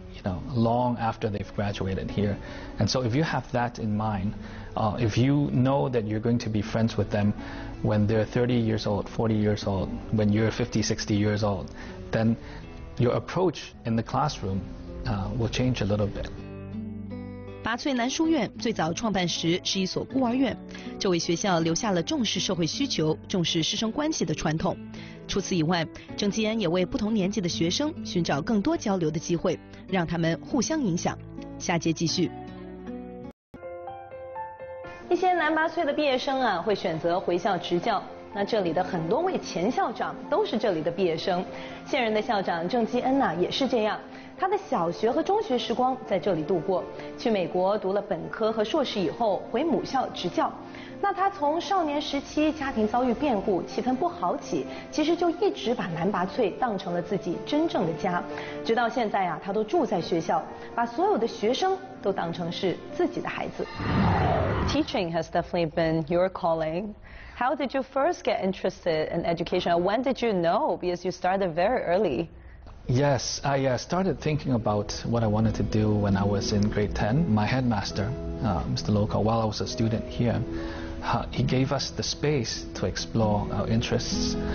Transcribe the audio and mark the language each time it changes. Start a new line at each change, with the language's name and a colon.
English: you know, long after they've graduated here. And so if you have that in mind, if you know that you're going to be friends with them when they're 30 years old, 40 years old, when you're 50, 60 years old, then your approach in the classroom will change a little bit.
Chinese: 拔萃男书院最早创办时是一所孤儿院，这为学校留下了重视社会需求、重视师生关系的传统。除此以外，郑基恩也为不同年纪的学生寻找更多交流的机会，让他们互相影响。下节继续。一些男拔萃的毕业生啊，会选择回校执教。那这里的很多位前校长都是这里的毕业生，现任的校长郑基恩呢，也是这样。他的小学和中学时光在这里度过，去美国读了本科和硕士以后回母校执教。那他从少年时期家庭遭遇变故，气氛不好起，其实就一直把男拔萃当成了自己真正的家，直到现在啊，他都住在学校，把所有的学生都当成是自己的孩子。
English: Teaching has definitely been your calling. How did you first get interested in education? When did you know? Because you started very early Yes, I started thinking about what I wanted to do when I was in grade 10. My headmaster, Mr. Loco, while I was a student here, he gave us the space to explore our interests.